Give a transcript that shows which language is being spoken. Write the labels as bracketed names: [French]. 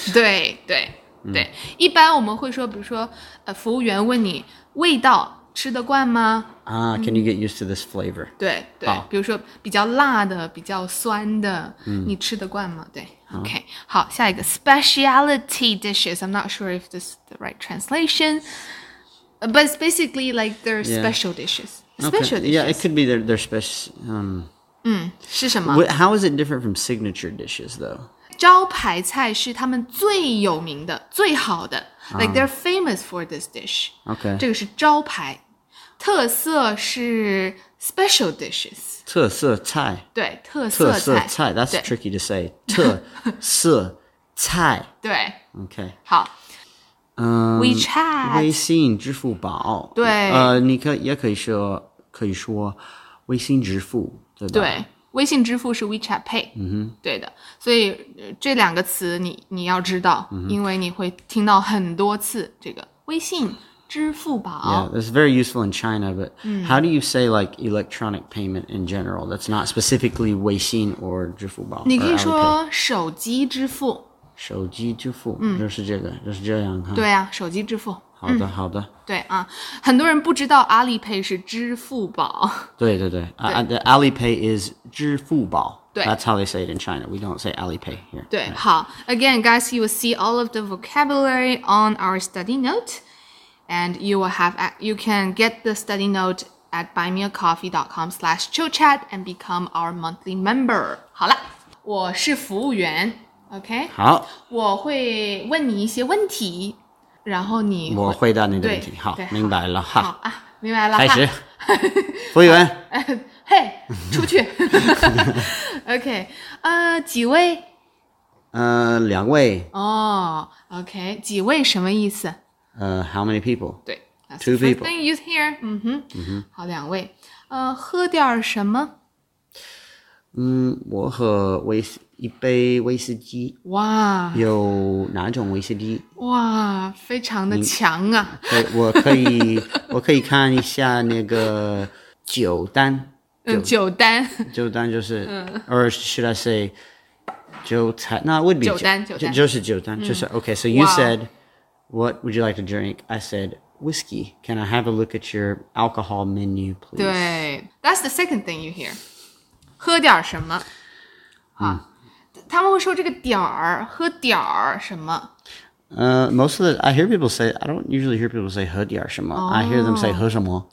[Chinese] 对对对，一般我们会说，比如说，服务员问你味道吃得惯吗？ [English] Can you get used to this flavor? [Chinese] 对对，比如说比较辣的，比较酸的，你吃得惯吗？对。 [English] Okay, [Chinese] 好，下一个 speciality dishes. [English] I'm not sure if this is the right translation, but it's basically like they're special dishes. Special dishes. Yeah, it could be they're special. [Chinese] 是什么？ [English] How is it different from signature dishes, though? [Chinese] 招牌菜是他们最有名的，最好的。 [English] Like they're famous for this dish. Okay. [Chinese] 这个是招牌，特色是 special dishes. 特色菜，对，特色 菜, 特色菜 [English] That's tricky to say [Chinese] 特色菜对 [English] OK [Chinese] 好、 WeChat 微信支付宝对、你可也可以说微信支付对吧对微信支付是 WeChat Pay、对的所以、这两个词 你要知道、因为你会听到很多次这个微信 [English] Yeah, it's very useful in China, but how do you say like electronic payment in general? That's not specifically Weixin or Zhifubao. [Chinese] 你可以说手机支付。手机支付，就是这个，就是这样。对啊，手机支付。好的，好的。对啊，很多人不知道 Alipay 是支付宝。对对对， [English] Alipay is [Chinese] 支付宝。对 [English] That's how they say it in China. We don't say Alipay here. [Chinese] 对，好。 [English] Again, guys, you will see all of the vocabulary on our study note. And you will have, you can get the study note at buymeacoffee.com/chillchat and become our monthly member. [Chinese] 好了，我是服务员 ，OK？好，我会问你一些问题，然后你我回答你的问题。好，明白了哈。好啊，明白了。开始，服务员。嘿，出去。OK， 几位？两位。哦 ，OK， 几位什么意思？ [English] How many people? [Chinese] 对 [English] that's Two people. Thing you use here. [Chinese] 好，两位。喝点什么？我喝一杯威士忌。哇。有哪种威士忌？哇，非常的强啊。我可以看一下那个酒单。酒单。酒单就是 [English] or should I say, [Chinese] 酒菜 [English] No, it would be [Chinese] 酒单。就是酒单。就是 [English] okay, so you said,What would you like to drink? I said, whiskey. Can I have a look at your alcohol menu, please? [Chinese] 对, [English] that's the second thing you hear. [Chinese] 喝点什么、他们会说这个点儿喝点儿什么、 [English] I hear people say, I don't usually hear people say [Chinese] 喝点什么、 [English] I hear them say [Chinese] 喝什么